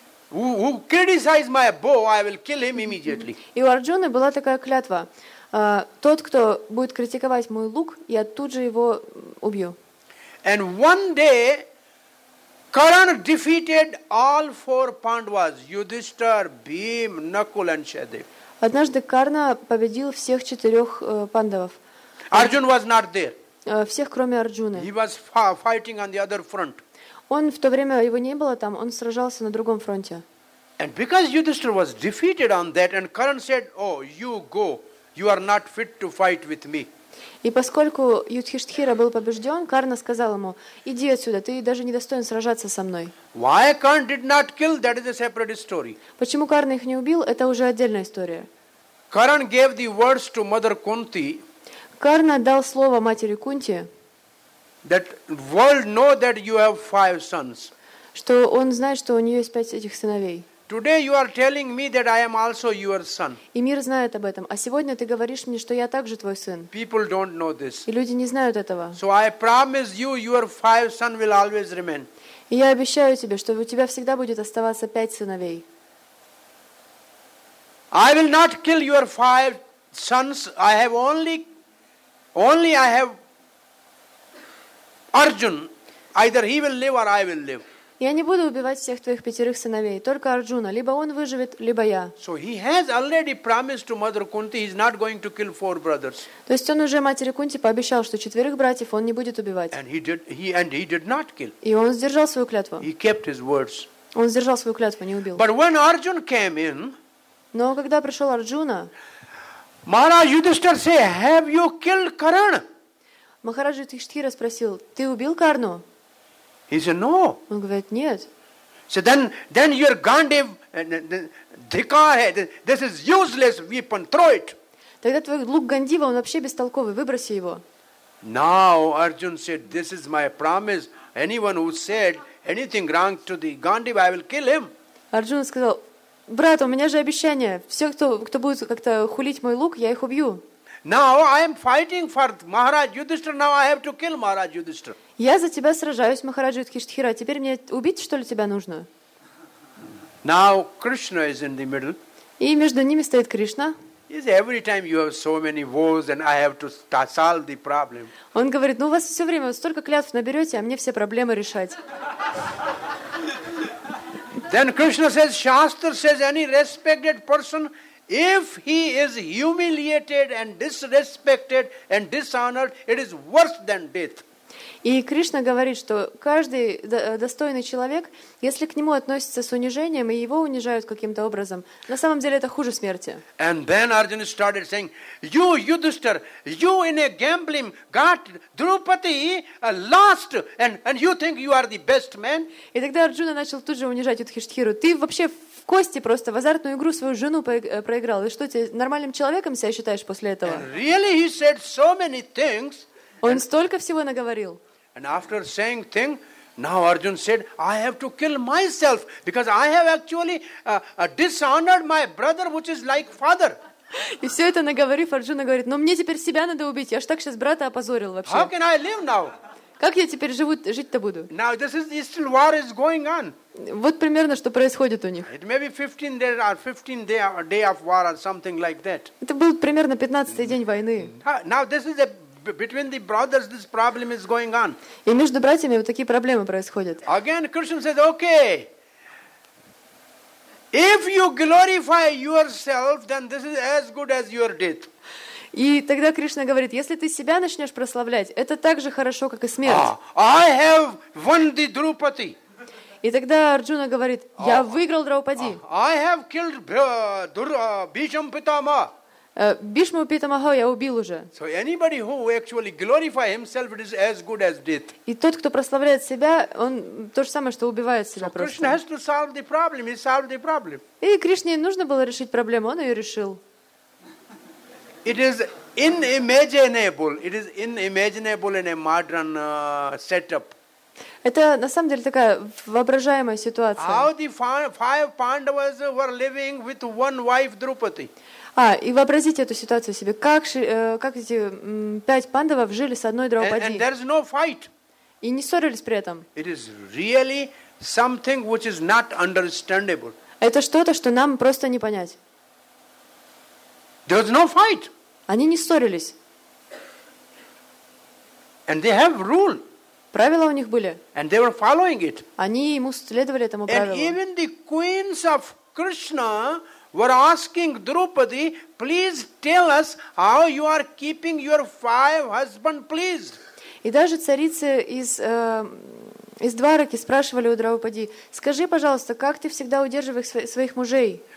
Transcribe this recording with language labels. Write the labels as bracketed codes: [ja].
[en] Who criticizes my bow, I will kill him immediately. [ru] И у Арджуны была такая клятва. Тот, кто будет критиковать мой лук, я тут же его убью. [en] And one day, Karan defeated all four Pandavas, Yudhishthir, Bhim, Nakul and Shahadev. [ru] Однажды Карна победил всех четырех пандавов. [en] Arjun was not there. [ru] Всех, кроме Арджуны. [en] He was fighting on the other front. [ru] Он в то время, его не было там, он сражался на другом фронте. [en] And because Yudhishthir was defeated on that, and Karan said, "Oh, you go, you are not fit to fight with me." [ru] И поскольку Юдхиштхира был побежден, Карна сказал ему, иди отсюда, ты даже не достоин сражаться со мной. [en] Why Karna did not kill, that is a separate story. [ru] Почему Карна их не убил, это уже отдельная история. [en] Karan gave the words to Mother Kunti, [ru] Карна дал слово матери Кунти, [en] that world know that you have five sons. [ru] Что он знает, что у нее есть пять этих сыновей. [en] Today you are telling me that I am also your son. [ru] И мир знает об этом. А сегодня ты говоришь мне, что я также твой сын. [en] People don't know this. [ru] И люди не знают этого. [en] So I promise you, your five sons will always remain. [ru] И я обещаю тебе, что у тебя всегда будет оставаться пять сыновей. [en] I will not kill your five sons, I have only I have Arjun. Either he will live or I will live. [ru] Я не буду убивать всех твоих пятерых сыновей, только Арджуна, либо он выживет, либо я. [en] So he has already promised to Mother Kunti he's not going to kill four brothers. [ru] То есть он уже матери Кунти пообещал, что четверых братьев он не будет убивать. [en] And he did not kill. [ru] И он сдержал свою клятву. [en] He kept his words. [ru] Он сдержал свою клятву, не убил. [en] But when Arjun came in, [ru] но когда пришел Арджуна, [en] Maharaj Yudhishthira say, have you killed Karna? [ru] Махараджа Юдхиштхира спросил, ты убил Карну? [en] He said, no. [ru] Он говорит, нет. [en] So then your Gandiv Dhikare, this is useless weapon, throw it. [ru] Тогда твой лук Гандива, он вообще бестолковый, выброси его. [en] Now Arjun said, this is my promise. Anyone who said anything wrong to the Gandiv, I will kill him. [ru] Арджуна сказал, брат, у меня же обещание. Все, кто будет как-то хулить мой лук, я их убью. [en] Now I am fighting for Maharaj Yudhishthira. Now I have to kill Maharaj Yudhishthira. [ru] Я за тебя сражаюсь, Махараджа Юдхиштхира. Теперь мне убить, что ли, тебя нужно? [en] Now Krishna is in the middle. [ru] И между ними стоит Кришна. [en] He says, every time you have so many vows, and I have to solve the problem. [ru] Он говорит, ну у вас все время столько клятв наберете, а мне все проблемы решать. [en] Then Krishna says, Shastra says, any respected person, if he is humiliated and disrespected and dishonored, it is worse than death. [ru] И Кришна говорит, что каждый достойный человек, если к нему относятся с унижением и его унижают каким-то образом, на самом деле это хуже смерти. [en] And then Arjuna started saying, you, Yudhishthira, you in a gambling got Draupadi lost and you think you are the best man? [ru] И тогда Арджуна начал тут же унижать Юдхиштхиру. Ты вообще в кости просто в азартную игру свою жену проиграл. И что, ты нормальным человеком себя считаешь после этого? [en] And really he said so many things. [ru] Он столько всего наговорил. [en] And after saying thing, now Arjuna said, I have to kill myself because I have actually dishonored my brother, which is like father. [ru] И все это наговорив, Арджуна говорит, но мне теперь себя надо убить. Я ж так сейчас брата опозорил вообще. [en] How can I live now? [ru] Как я теперь жить-то буду? [en] Now this is still war is going on. [ru] Вот примерно, что происходит у них. [en] It may be 15th day of war or something like that. [ru] Это был примерно 15-й день войны. [en] Now this is a between the brothers this problem is going on. [ru] И между братьями вот такие проблемы происходят. [en] Again Krishna says, okay, if you glorify yourself, then this is as good as your death. [ru] И тогда Кришна говорит, если ты себя начнешь прославлять, это так же хорошо, как и смерть. [en] I have won the Draupadi. [ru] И тогда Арджуна говорит, я выиграл Драупади. [en] I have killed Bhishma Pitama. [ru] Бишму Питамаху я убил уже. [en] So anybody who actually glorifies himself, it is as good as death. [ru] И тот, кто прославляет себя, он то же самое, что убивает себя просто. [en] So Krishna has to solve the problem. He solved the problem. [ru] И Кришне нужно было решить проблему, он ее решил. [en] It is unimaginable. It is unimaginable in a modern setup. [ru] Это на самом деле такая воображаемая ситуация. [en] How the five Pandavas were living with one wife Draupadi. [ru] И вообразите эту ситуацию себе. Как эти пять пандавов жили с одной Драупади? [en] No, [ru] и не ссорились при этом. [en] It is really something which is not understandable. [ru] Это что-то, что нам просто не понять. [en] There was no fight. [ru] Они не ссорились. [en] And they have rule. [ru] Правила у них были. [en] And they were following it. [ru] Они ему следовали этому правилу. [en] And even the queens of Krishna were asking Draupadi, please tell us how you are keeping your five husband pleased. [ru] И даже царицы из Двараки спрашивали у Драупади, скажи, пожалуйста, как ты всегда удерживаешь своих мужей?